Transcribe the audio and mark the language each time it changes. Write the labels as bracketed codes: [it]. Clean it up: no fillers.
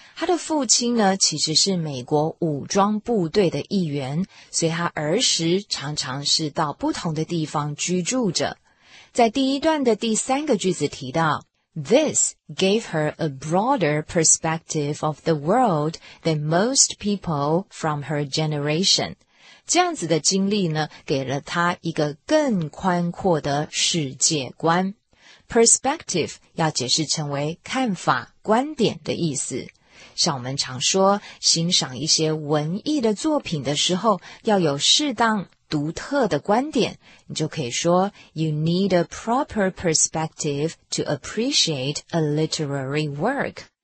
[zh] 他的父亲呢其实是美国武装部队的一员，所以他儿时常常是到不同的地方居住着。在第一段的第三个句子提到 [en] This gave her a broader perspective of the world than most people from her generation. [zh] 这样子的经历呢给了他一个更宽阔的世界观。 Perspective 要解释成为看法、观点的意思。像我们常说欣赏一些文艺的作品的时候要有适当独特的观点，你就可以说 [en] You need a proper perspective to appreciate a literary work。